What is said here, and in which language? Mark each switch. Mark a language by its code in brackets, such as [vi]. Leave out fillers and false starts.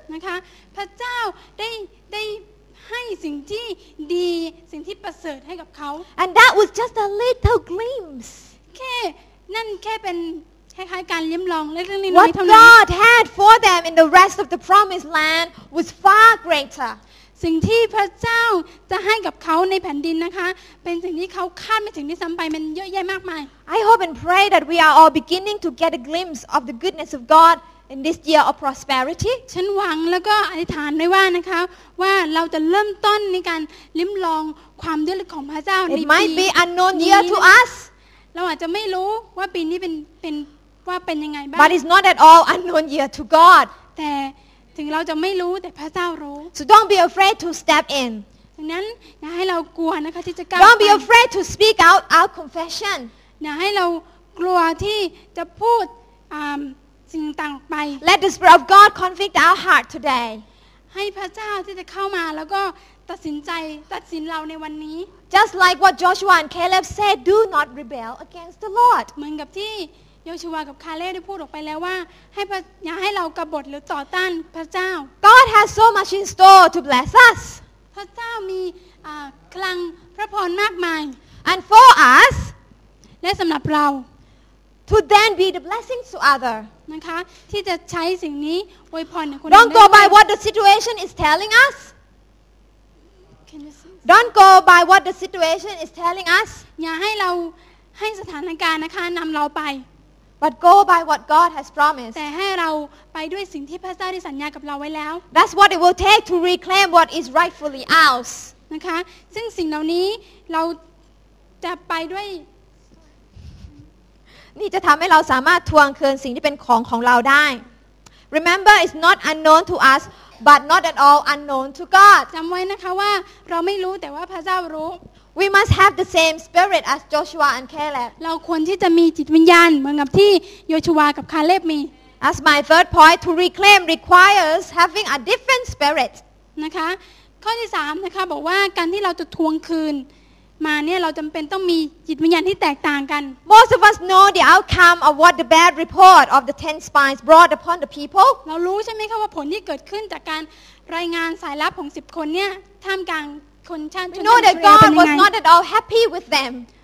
[th] นะคะพระเจ้าได้ให้สิ่งที่ดีสิ่งที่ประเสริฐให้กับเขา [en] and that was just a little glimpse [th] แค่นั่นแค่เป็นคล้ายๆการลิ้มลองเล็กๆน้อยๆเท่านั้น [en] What God had for them in the rest of the promised land was far greater [th] สิ่งที่พระเจ้าจะให้กับเขาในแผ่นดินนะคะเป็นสิ่งที่เขาคาดไม่ถึงที่ซ้ำไปมันเยอะแยะมากมาย [en] I hope and pray that we are all beginning to get a glimpse of the goodness of God in this year of prosperity [th] ฉันหวังแล้วก็อธิษฐานไว้ว่านะคะว่าเราจะเริ่มต้นในการลิ้มลองความดีของพระเจ้าในปี [en] It might be unknown year to us [th] เราอาจจะไม่รู้ว่าปีนี้เป็นว่าเป็นยังไงบ้าง [en] But it's not at all unknown year to God [th] แต่ถึงเราจะไม่รู้แต่พระเจ้ารู้ [en] So don't be afraid to step in [th] ดังนั้นอย่าให้เรากลัวนะคะที่จะกล้า [en] Don't be afraid to speak out our confession [th] อย่าให้เรากลัวที่จะพูดสิ่งต่างไป [en] Let the Spirit of God convict our heart today [th] ให้พระเจ้าที่จะเข้ามาแล้วก็ตัดสินใจตัดสินเราในวันนี้ [en] Just like what Joshua and Caleb said do not rebel against the Lord [th] เหมือนกับที่โยชูวากับคาเลฟได้พูดออกไปแล้วว่าให้อย่าให้เรากบฏหรือต่อต้านพระเจ้า [en] God has so much in store to bless us [th] พระเจ้ามีคลังพระพรมากมาย [en] And for us [th] และสำหรับเรา [en] to then be the blessing to other [th] นะคะที่จะใช้สิ่งนี้อวยพรในคนอื่น [en] Don't go by what the situation is telling us Don't go by what the situation is telling us [th] อย่าให้เราให้สถานการณ์นะคะนำเราไป [en] But go by what God has promised. [th] แต่ให้เราไปด้วยสิ่งที่พระเจ้าได้สัญญากับเราไว้แล้ว [en] That's what it will take to reclaim what is rightfully ours. [th] นะคะซึ่งสิ่งเหล่านี้เราจะไปด้วย นี่จะทำให้เราสามารถทวงคืนสิ่งที่เป็นของเราได้ [en] Remember, it's not unknown to us, but not at all unknown to God. [th] จำไว้นะคะว่าเราไม่รู้แต่ว่าพระเจ้ารู้ [en] We must have the same spirit as Joshua and Caleb. [th] เราควรที่จะมีจิตวิญญาณเหมือนกับที่โยชูวากับคาเลบมี [en] As my third point, to reclaim requires having a different spirit. [th] นะคะข้อที่3นะคะบอกว่าการที่เราจะทวงคืนมาเนี่ยเราจำเป็นต้องมีจิตวิญญาณที่แตกต่างกัน [en] Most of us know the outcome of what the bad report of the 10 spies brought upon the people. [th] เรารู้ใช่ไหมคะว่าผลที่เกิดขึ้นจากการรายงานสายลับของ10คนเนี่ยท่ามกลาง [en] We know that God was not at all happy with them.